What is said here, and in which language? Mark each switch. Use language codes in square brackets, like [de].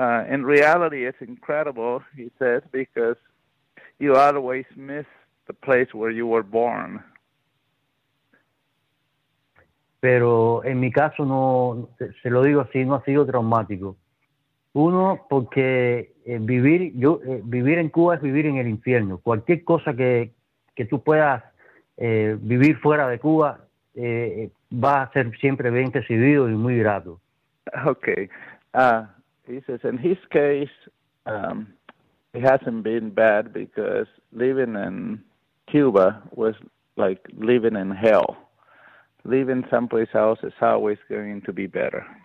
[en] In reality, it's incredible, he says, because you always miss the place where you were born. [es] Pero en mi caso no, se lo digo así, no ha sido traumático. Uno, porque vivir en Cuba es vivir en el infierno. Cualquier cosa que tú puedas vivir fuera de Cuba va a ser siempre bien recibido y muy grato. [en] Okay. He says, in his case, it hasn't been bad because living in Cuba was like living in hell. Living someplace else is always going to be better.